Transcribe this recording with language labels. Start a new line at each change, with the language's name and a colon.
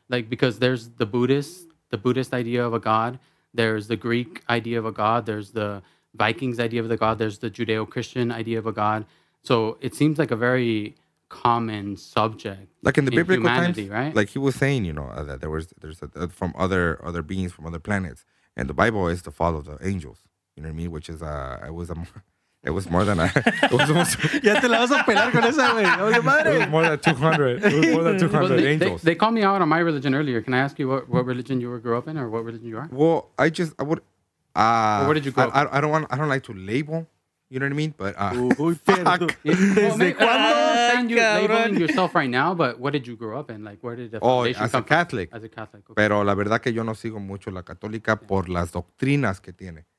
English: Like because there's the Buddhist idea of a God, there's the Greek idea of a God, there's the Vikings idea of the God, there's the Judeo-Christian idea of a God. So it seems like a very common subject, like in the biblical humanity, times, right? Like he was saying, you know, that there's from other beings from other planets, and the Bible is the fall of the angels. You know what I mean? Which is it was more than
Spanish: Ya te la vas a pelar con esa, güey. Oye, madre.
English: It was more than 200. Angels. They called me out on my religion earlier. Can I ask you what religion you grew up in or what religion you are? Well, I would. Where did you grow up? I don't like to label. You know what I mean? But labeling yourself right now, but what did you grow up in? Like, where did the foundation come from? As a Catholic. As a Catholic. Okay.
Spanish: Pero la verdad que yo no sigo mucho la católica por las doctrinas que tiene.